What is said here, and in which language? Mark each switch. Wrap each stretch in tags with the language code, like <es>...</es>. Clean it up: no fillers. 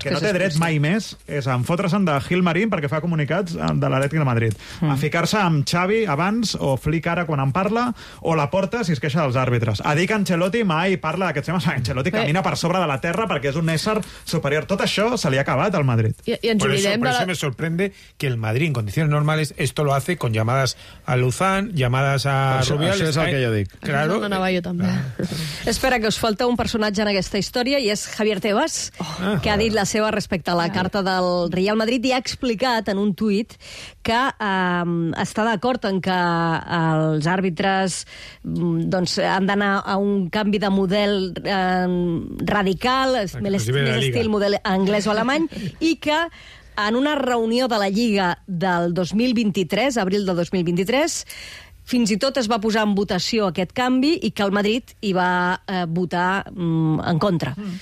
<ca>El que no té dret mai més és a enfotre-se'n de Gil Marín perquè fa comunicats de l'Atlètic de Madrid. Mm. A ficar-se amb Xavi abans o Flick ara quan en parla, o la porta si es queixa dels àrbitres. A dir que Ancelotti mai parla d'aquests temes. Ancelotti camina per sobre de la terra perquè és un ésser superior. Tot això se li ha acabat al Madrid. Per això</ca> <es>me sorprende que el Madrid en condicions normales esto lo hace con llamadas a Luzán, llamadas a Rubiales.</es> <ca>Això és el que jo dic.</ca> <es>Claro.</es> <ca>No anava jo també. Espera, que us falta un personatge en aquesta història i és Javier Tebas. Que ha dit la seva respecte a la carta del Real Madrid i ha explicat en un tuit que està d'acord en que els àrbitres doncs, han d'anar a un canvi de model radical, més estil model anglès o alemany, i que en una reunió de la Lliga del 2023, abril de 2023, fins i tot es va posar en votació aquest canvi i que el Madrid hi va votar en contra.</ca>